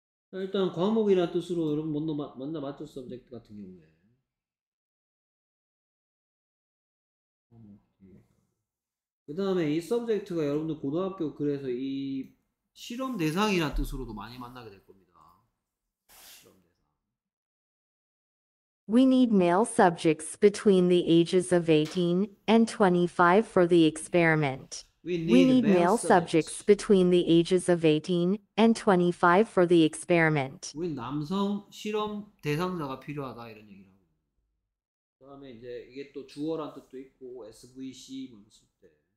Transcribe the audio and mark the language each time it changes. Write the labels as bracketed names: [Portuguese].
[Korean] 그다음에 일단 과목이라는 뜻으로 여러분 만나 맞췄어 오브젝트 같은 경우에 그 다음에 이 subject가 여러분들 고등학교 그래서 이 실험 대상이라는 뜻으로도 많이 만나게 될 겁니다. [English] We need male subjects between the ages of 18 and 25 for the experiment. We need male male subjects subjects. between the ages of 18 and 25 for the experiment. [Korean] 우리 남성 실험 대상자가 필요하다 이런 얘기라고. 그다음에 이제 이게 또 주어란 뜻도 있고 SVC 뭐 있을 때.